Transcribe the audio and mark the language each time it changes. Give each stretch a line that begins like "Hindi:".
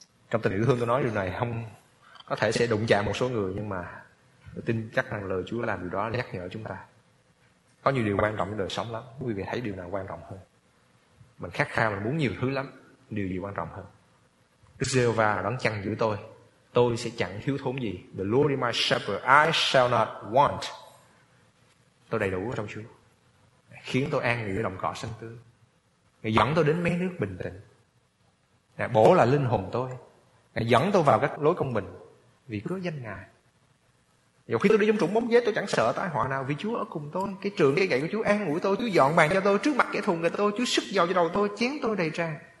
Vietnamese: Trong tình yêu thương tôi nói điều này, không có thể sẽ đụng chạm một số người, nhưng mà tôi tin chắc rằng lời Chúa làm điều đó nhắc nhở chúng ta. Có nhiều điều quan trọng trong đời sống lắm. Quý vị thấy điều nào quan trọng hơn? Mình khát khao, mình muốn nhiều thứ lắm. Điều gì quan trọng hơn? Đức Giê-hô-va đón chăn giữ tôi, tôi sẽ chẳng thiếu thốn gì.
English: The Lord is my shepherd, I shall not want.
Vietnamese: Tôi đầy đủ trong Chúa, khiến tôi an nghỉ ở đồng cỏ xanh tươi. Ngài dẫn tôi đến mé nước bình tĩnh, Ngài bổ lại linh hồn tôi, Ngài dẫn tôi vào các lối công bình vì cớ danh Ngài. Dù khi tôi đi trong trũng bóng vết, tôi chẳng sợ tai họa nào vì Chúa ở cùng tôi. Cái trường cây gậy của Chúa an ủi tôi, Chúa dọn bàn cho tôi, trước mặt kẻ thù người tôi, Chúa sức dầu cho đầu tôi, chén tôi đầy tràn.